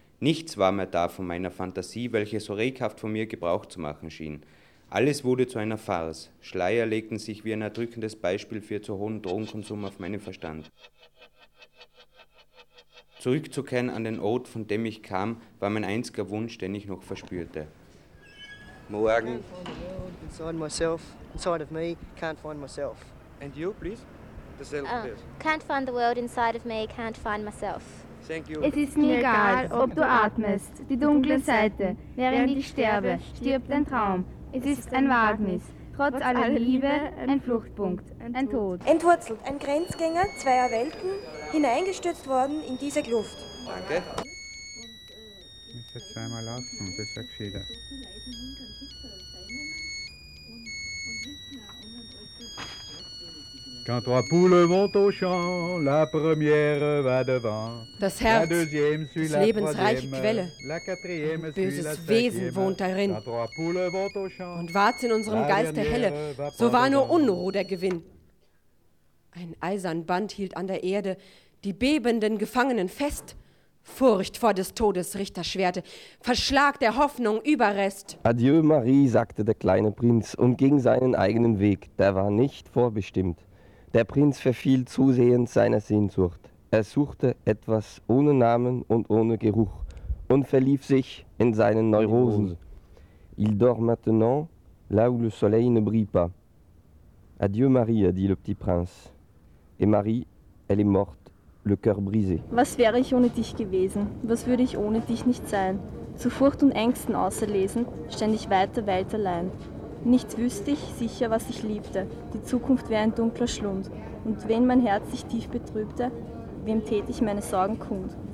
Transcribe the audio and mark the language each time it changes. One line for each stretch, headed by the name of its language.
German: Nichts war mehr da von meiner Fantasie, welche so reghaft von mir Gebrauch zu machen schien. Alles wurde zu einer Farce. Schleier legten sich wie ein erdrückendes Beispiel für zu hohen Drogenkonsum auf meinen Verstand. Zurückzukehren an den Ort, von dem ich kam, war mein einziger Wunsch, den ich noch verspürte. Morgen.
English: Inside myself, inside of me, can't find myself. And you, please? Can't find the world inside of me, can't find myself. Thank you.
German: Es ist mir egal, ob du atmest, die dunkle Seite, während ich sterbe, stirbt dein Traum. Es ist ein Wagnis, trotz aller Liebe, ein Fluchtpunkt, ein Tod. Entwurzelt, ein Grenzgänger zweier Welten, hineingestürzt worden in diese Kluft. Danke. Ich muss jetzt zweimal laufen, das wäre gescheiter.
French: Quand trois poules vont au champ, la première va devant.
German: Das Herz,
French: la deuxième suit
German: des Lebens reiche Quelle,
French: la quatrième
German: ein böses
French: suit la cinquième.
German: Wesen wohnt darin. Und wart in unserem Geiste helle, so war nur Unruhe der Gewinn. Ein eisern Band hielt an der Erde die bebenden Gefangenen fest. Furcht vor des Todes Richterschwerte, Verschlag der Hoffnung Überrest.
French: Adieu Marie,
German: sagte der kleine Prinz und ging seinen eigenen Weg, der war nicht vorbestimmt. Der Prinz verfiel zusehends seiner Sehnsucht. Er suchte etwas ohne Namen und ohne Geruch und verlief sich in seinen Neurosen.
French: Il dort maintenant là où le soleil ne brille pas. Adieu Marie, dit le petit prince. Et Marie, elle est morte, le cœur brisé.
German: Was wäre ich ohne dich gewesen? Was würde ich ohne dich nicht sein? Zu Furcht und Ängsten auserlesen, ständig weiter, weit allein. Nichts wüsste ich sicher, was ich liebte. Die Zukunft wäre ein dunkler Schlund. Und wenn mein Herz sich tief betrübte, wem tät ich meine Sorgen kund?